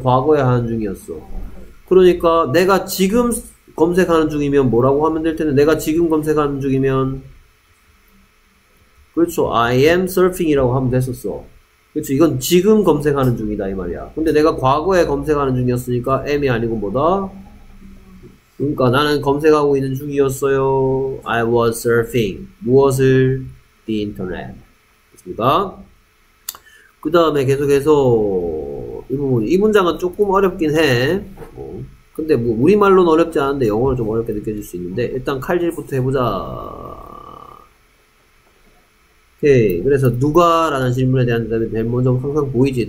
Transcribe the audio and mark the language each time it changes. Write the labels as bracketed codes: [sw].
[ko] 과거에 하는 중이었어? 그러니까 내가 지금 검색하는 중이면 뭐라고 하면 될 텐데 내가 지금 검색하는 중이면 그렇죠 [en] I am surfing [ko] 이라고 하면 됐었어. 그렇죠 이건 지금 검색하는 중이다 이 말이야. 근데 내가 과거에 검색하는 중이었으니까 am이 아니고 뭐다? 그러니까 나는 검색하고 있는 중이었어요. [en] I was surfing [ko] 무엇을? [en] The internet [ko] 됐습니다. 그 다음에 계속해서 이 부분 이 문장은 조금 어렵긴 해. 어. 근데 뭐 우리말로는 어렵지 않은데 영어는 좀 어렵게 느껴질 수 있는데 일단 칼질부터 해보자. 오케이. 그래서 누가 라는 질문에 대한 대답이 맨 먼저 항상 보이지.